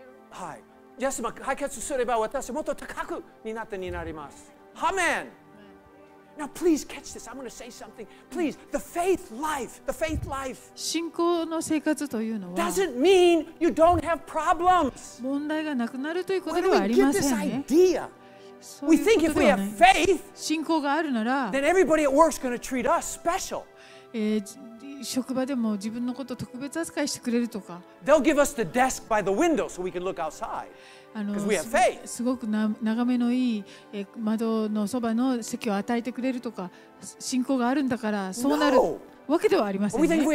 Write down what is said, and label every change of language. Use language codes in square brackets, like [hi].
[ja] はい、イエス様解決すれば私もっと高くになってになります。 [en] アメン。Now, please catch this. I'm going to say something. Please, the faith life. [ja] 信仰の生活というのは [en] doesn't mean you don't have problems. [ja] 問題がなくなるということではありませんね。 [en] Where do we get this idea? We think if we have faith, [ja] 信仰があるなら [en] then everybody at work is going to treat us special. [ja] 職場でも自分のこと特別扱いしてくれるとか [en] they'll give us the desk by the window so we can look outside. Because we have faith. [ja] すごく眺めのいい窓のそばの席を与えてくれるとか信仰があるんだからそうなるわけではありませんね。